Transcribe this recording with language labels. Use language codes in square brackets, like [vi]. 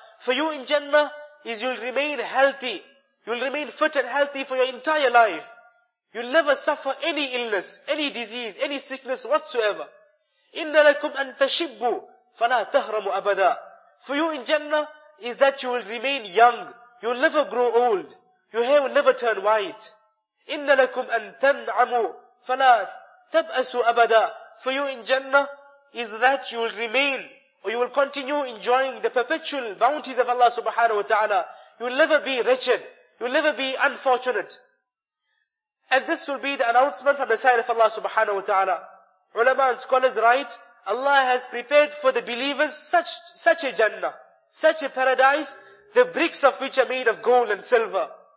[en] For you in Jannah is you'll remain healthy. You'll remain fit and healthy for your entire life. You'll never suffer any illness, any disease, any sickness whatsoever. [ar] إِنَّ لَكُمْ أَن تَشِبُّوا فَلَا تَهْرَمُ أَبَدًا. [en] For you in Jannah is that you will remain young. You'll never grow old. Your hair will never turn white. [ar] إِنَّ لَكُمْ أَن تَنْعَمُوا فَلَا تَبْأَسُ أَبَدًا. [en] For you in Jannah is that you will remain or you will continue enjoying the perpetual bounties of Allah subhanahu wa ta'ala. You'll never be wretched. You'll never be unfortunate. And this will be the announcement from the side of Allah subhanahu wa ta'ala. Ulama and scholars write, Allah has prepared for the believers such a Jannah, such a paradise, the bricks of which are made of gold and silver.